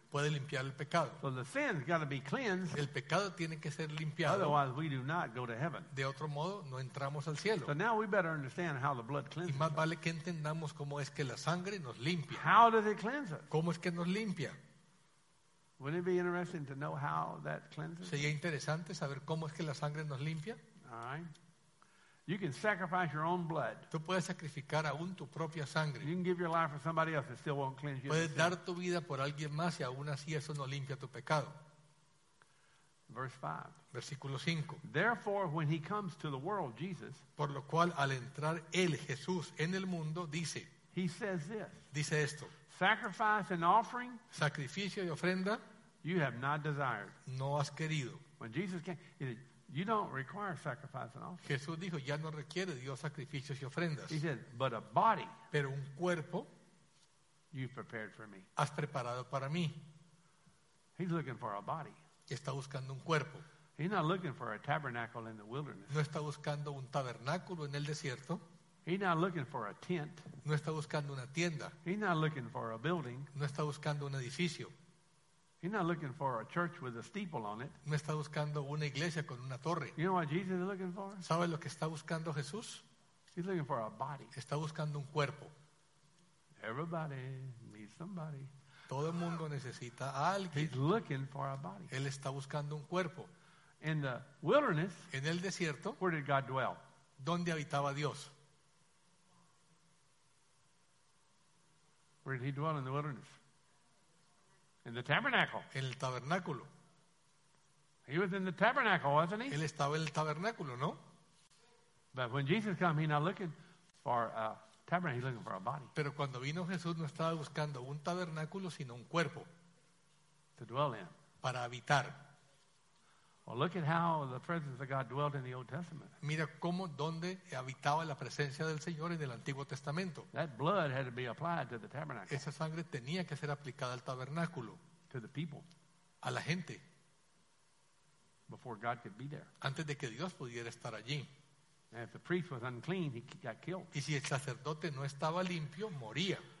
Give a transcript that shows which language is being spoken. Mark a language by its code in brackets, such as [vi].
[es] Puede limpiar el pecado. [en] So the sin's got to be cleansed. [es] El pecado tiene que ser limpiado. [en] Otherwise we do not go to heaven. [es] De otro modo no entramos al cielo. [en] So now we better understand how the blood cleanses. [es] Y más vale que entendamos cómo es que la sangre nos limpia. [en] How does it cleanse us? [es] ¿Cómo es que nos limpia? [en] Wouldn't it be interesting to know how that cleanses? [es] Sería interesante saber cómo es que la sangre nos limpia. [en] All right. You can sacrifice your own blood. [es] Tú puedes sacrificar aún tu propia sangre. [en] You can give your life for somebody else and still won't cleanse you. [es] Puedes dar tu vida por alguien más y aún así eso no limpia tu pecado. [en] Verse 5. [es] Versículo 5. [en] Therefore, when he comes to the world, Jesus. [es] Por lo cual, al entrar él, Jesús, en el mundo, dice. [en] He says this. [es] Dice esto. [en] Sacrifice and offering, [es] sacrificio y ofrenda, [en] you have not desired. [es] No has querido. [en] When Jesus came, he said, you don't require sacrifice and offering. [es] Jesús dijo, ya no requiere Dios sacrificios y ofrendas. [en] He said, but a body, [es] pero un cuerpo, [en] you've prepared for me. [es] Has preparado para mí. [en] He's looking for a body. [es] Está buscando un cuerpo. [en] He's not looking for a tabernacle in the wilderness. [es] No está buscando un tabernáculo en el desierto. [en] He's not looking for a tent. [es] No está buscando una tienda. [en] He's not looking for a building. [es] No está buscando un edificio. [en] He's not looking for a church with a steeple on it. [es] No está buscando una iglesia con una torre. [en] You know what Jesus is looking for? [es] ¿Sabe lo que está buscando Jesús? [en] He's looking for a body. [es] Está buscando un cuerpo. [en] Everybody needs somebody. [es] Todo el mundo necesita a alguien. [en] He's looking for a body. [es] Él está buscando un cuerpo. [en] In the wilderness. [es] En el desierto. [en] Where did God dwell? [es] ¿Dónde habitaba Dios? [en] Where did he dwell in the wilderness? In the tabernacle. [es] En el tabernáculo. [en] He was in the tabernacle, wasn't he? [es] Él estaba en el tabernáculo, ¿no? [en] But when Jesus came, he's not looking for a tabernacle, he's looking for a body. [es] Pero cuando vino Jesús, no estaba buscando un tabernáculo, sino un cuerpo. [en] To dwell in. [es] Para habitar. [en] Well, look at how the presence of God dwelt in the Old Testament. [es] Mira cómo donde habitaba la presencia del Señor en el Antiguo Testamento. [en] That blood had to be applied to the tabernacle. [es] Esa sangre tenía que ser aplicada al tabernáculo. [en] To the people. [es] A la gente. [en] Before God could be there. [es] Antes de que Dios pudiera estar allí. [en] And if the priest was unclean, he got killed. [es] Y si el sacerdote no estaba limpio, moría.